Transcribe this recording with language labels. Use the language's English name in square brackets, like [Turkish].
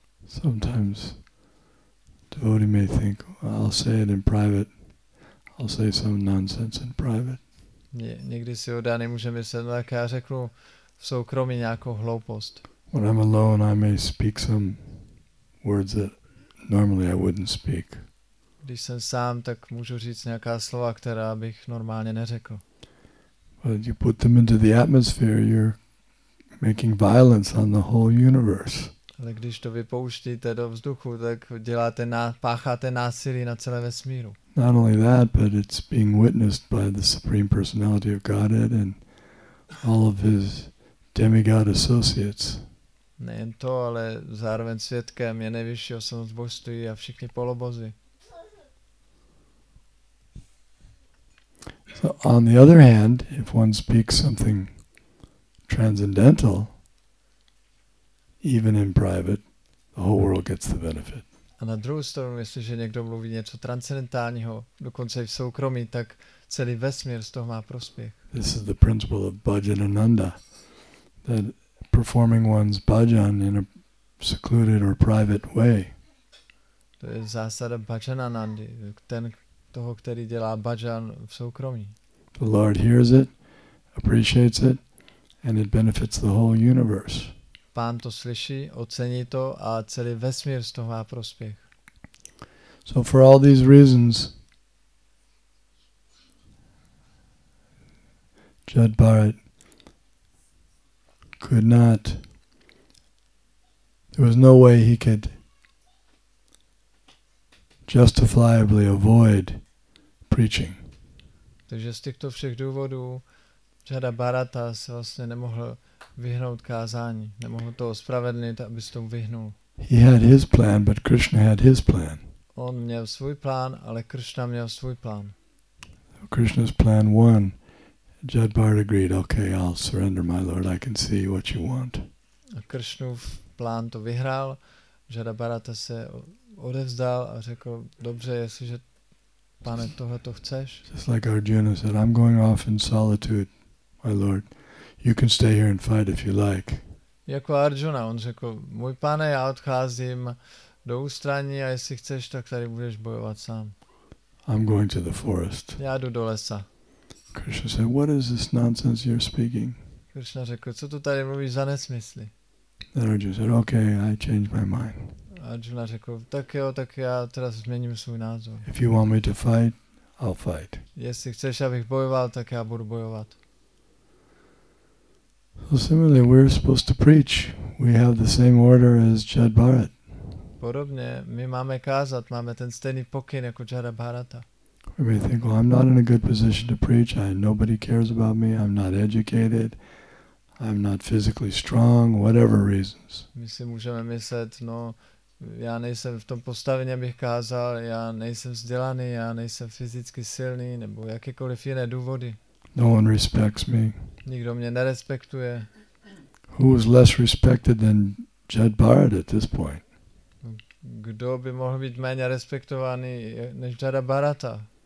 [English] Sometimes devotee may think, well, I'll say it in private. I'll say some nonsense in private. [Czech] Někdy si oddaný může myslet, no tak já řeknu v soukromí nějakou hloupost. [English] When I'm alone, I may speak some words that normally I wouldn't speak. [Czech] Když jsem sám, tak můžu říct nějaká slova, která bych normálně neřekl. [English] But you put them into the atmosphere, you're making violence on the whole universe. [Czech] Ale když to vypouštíte do vzduchu, tak děláte pácháte násilí na celé vesmíru. [English] Not only that, but it's being witnessed by the Supreme Personality of Godhead and all of his demigod associates. [Czech] Nejen to, ale zároveň svědkem je nejvyšší osobnost božství a všichni polobozy. [English] So on the other hand, if one speaks something transcendental, even in private, the whole world gets the benefit. [Czech] A na druhou stranu, jestliže někdo mluví něco transcendentálního, dokonce i v soukromí, tak celý vesmír z toho má prospěch. [English] This is the principle of bhajan ananda, that performing one's bhajan in a secluded or private way. [Czech] To je zásada bhajan anandy, ten toho, který dělá bhajan v soukromí. [English] The Lord hears it, appreciates it, and it benefits the whole universe. [Czech] Pán to slyší, ocení to a celý vesmír z toho má prospěch. [English] So for all these reasons, Judd Barrett could not, there was no way he could justifiably avoid preaching. [Czech] Takže z těchto všech důvodů Judda Barata se vlastně nemohl vyhnout kázání, nemohl to ospravedlnit, aby se tomu vyhnul. [English] He had his plan, but Krishna had his plan. [Czech] On měl svůj plán, ale Krishna měl svůj plán. [English] Krishna's plan won. Judd Barrett agreed, okay, I'll surrender my lord, I can see what you want. [Czech] A Krishnův plán to vyhrál, Judda Barata se odevzdal a řekl, dobře, jestliže pane, tohle to chceš. [English] Just like Arjuna said, I'm going off in solitude, my lord. You can stay here and fight if you like. [Czech] Jako Arjuna, on řekl, můj pane, já odcházím do ústraní a jestli chceš, tak tady budeš bojovat sám. [English] I'm going to the forest. [Czech] Já jdu do lesa. [English] Krishna said, what is this nonsense you're speaking? [Czech] Krishna řekl, co tu tady mluvíš za nesmysly? [English] Then Arjuna said, okay, I changed my mind. [Czech] Arjuna řekl, tak jo, tak já teraz změním svůj názor. [English] If you want me to fight, I'll fight. [Czech] Jestli chceš, abych bojoval, tak já budu bojovat. [English] So similarly, we're supposed to preach. We have the same order as Judd Barrett. [Czech] Podobně, my máme kázat, máme ten stejný pokyn jako Judda Barata. [English] We may think, well, I'm not in a good position to preach. Nobody cares about me. I'm not educated. I'm not physically strong. Whatever reasons. [Czech] My si můžeme myslet, no, já nejsem v tom postavení, abych kázal. Já nejsem vzdělaný. Já nejsem fyzicky silný. Nebo jakékoliv jiné důvody. [English] No one respects me. [Czech] Nikdo mě nerespektuje. [English] Who is less respected than Judd Barrett at this point? [Czech] Kdo by mohl být méně respektovaný než Judda Barata?